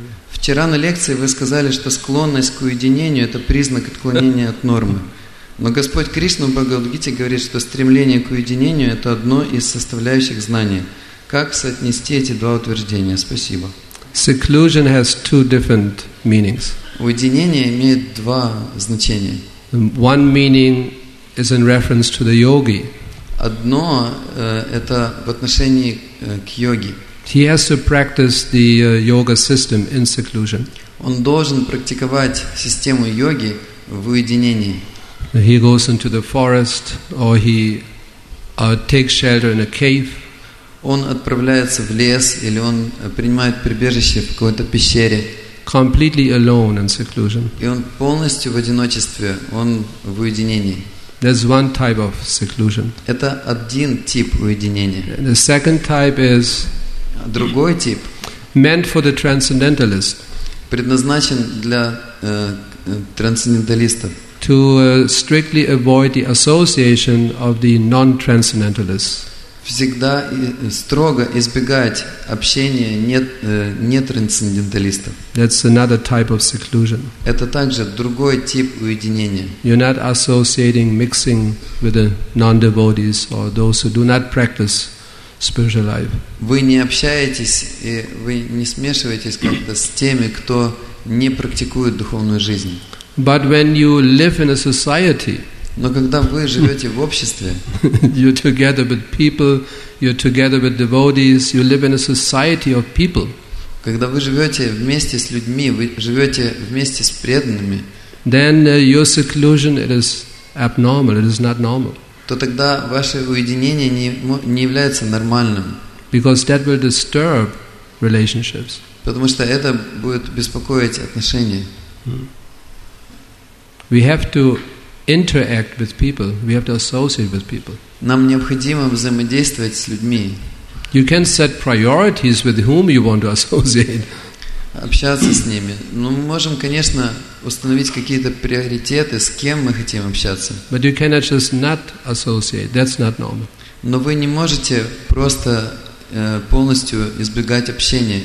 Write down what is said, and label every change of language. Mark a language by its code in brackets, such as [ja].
[ru] Вчера на лекции вы сказали, что склонность к уединению это признак отклонения от нормы. Но Господь Кришна в Бхагавад-гите говорит, что стремление к уединению – это одно из составляющих знания. Как соотнести эти два утверждения? Спасибо. [en] Seclusion has two different meanings. [ru] Уединение имеет два значения. [en] One meaning is in reference to the yogi. [ru] Одно это в отношении к йоге. [en] He has to practice the yoga system in seclusion. [ru] Он должен практиковать систему йоги в уединении. [en] He goes into the forest, or he takes shelter in a cave. [ru] Он отправляется в лес, или он принимает прибежище в какой-то пещере. [en] Completely alone in seclusion. [ru] И он полностью в одиночестве, он в уединении. [en] There's one type of seclusion. [ru] Это один тип уединения. [en] The second type is. [ru] Другой тип. [en] Meant for the transcendentalist. [ru] Предназначен для трансценденталистов. [en] To strictly avoid the association of the non-transcendentalists. [ru] Всегда строго избегать общения нетрансценденталистов. [en] That's another type of seclusion. [ru] Это также другой тип уединения. [en] You're not associating, mixing with the non-devotees or those who do not practice spiritual life. [ru] Вы не общаетесь и вы не смешиваетесь как-то с теми, кто не практикует духовную жизнь. [en] But when you live in a society, [ru] но когда вы живете в обществе, [en] you're together with people, you're together with devotees, you live in a society of people. [ru] Когда вы живете вместе с людьми, вы живете вместе с преданными, [en] then your seclusion it is abnormal, it is not normal. [ru] То тогда ваше уединение не является нормальным. [en] Because that will disturb relationships. [ru] Потому что это будет беспокоить отношения. [en] We have to interact with people. We have to associate with people. [ru] Нам необходимо взаимодействовать с людьми. [en] You can set priorities with whom you want to associate. [ru] Общаться с ними. Ну, мы можем, конечно, установить какие-то приоритеты, с кем мы хотим общаться. [en] But you cannot just not associate. That's not normal. [ru] Но вы не можете просто полностью избегать общения.